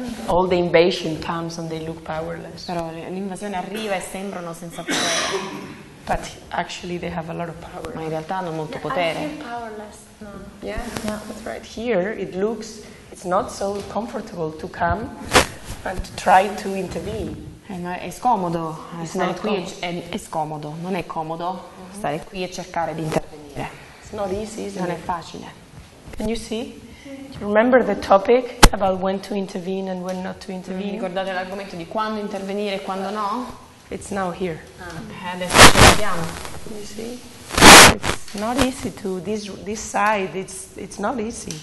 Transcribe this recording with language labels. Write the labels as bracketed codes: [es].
[en] All the invasion comes and they look powerless. [it] Però l'invasione arriva e sembrano senza potere. [en] But actually they have a lot of power. [it] Ma in realtà hanno molto potere. [en] I feel powerless. No. Yeah. Yeah. That's right. Here it looks it's not so comfortable to come and try to intervene. [it] È scomodo stare qui, è scomodo, non è comodo stare qui e cercare di intervenire. [en] It's not easy, [it] non è facile. [en] Can you see? Do you remember the topic about when to intervene and when not to intervene? [it] Ricordate l'argomento di quando intervenire e quando no? [en] It's now here. [it] Adesso ci vediamo. [en] You see? It's not easy to this side, it's not easy.